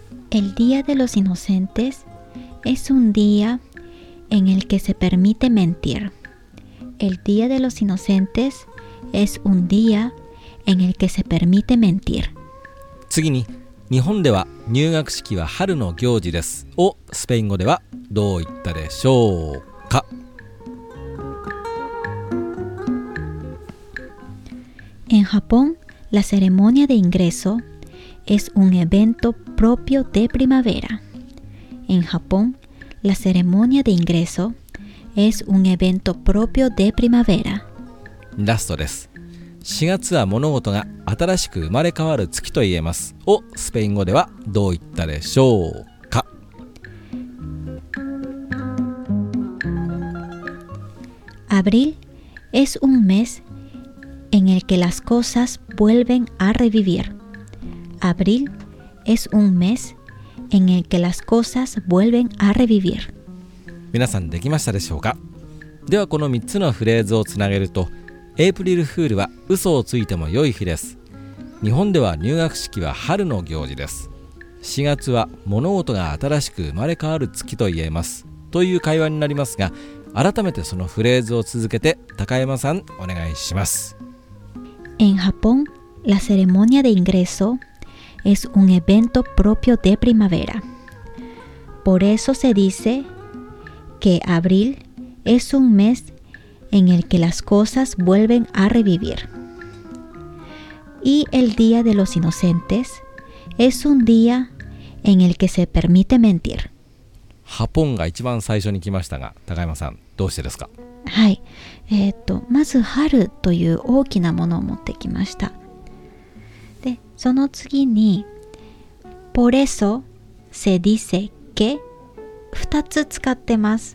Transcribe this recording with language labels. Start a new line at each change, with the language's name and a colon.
Spanish: El Día de los Inocentes es un día en el que se permite mentir. El Día de los Inocentes es un día en el que se permite mentir.
Japanese: 次に、日本では入学式は春の行事ですをスペイン語ではどう言ったでしょうか？
Spanish: En Japón, la ceremonia de ingreso es un evento propio de primavera. En Japón, la ceremonia de ingreso es un evento propio de primavera.
Japanese: ラストです。 4月は物事が新しく生まれ変わる月と言えます。をスペイン語ではどう言ったでしょうか？
Spanish: Abril es un mes en el que las cosas vuelven a revivir. Abril es un mes en el que las cosas vuelven a revivir.
Japanese: 皆さんできましたでしょうか？ではこの3つのフレーズをつなげると、エイプリルフールは嘘をついても良い日です。日本では入学式は春の行事です。4月は物事が新しく生まれ変わる月と言えます。という会話になりますが、改めてそのフレーズを続けて高山さんお願いします。
Spanish: En Japón, la ceremonia de ingresoes un evento propio de primavera. Por eso se dice que abril es un mes en el que las cosas vuelven a revivir. Y el Día de los Inocentes es un día en el que se permite mentir.
Japanese: Japón が一番最初に来ましたが、高山さん、どうしてですか？はい、まず春という大きなものを持ってきました。その次に、
Spanish: por eso se dice que
Japanese: 二つ使ってます。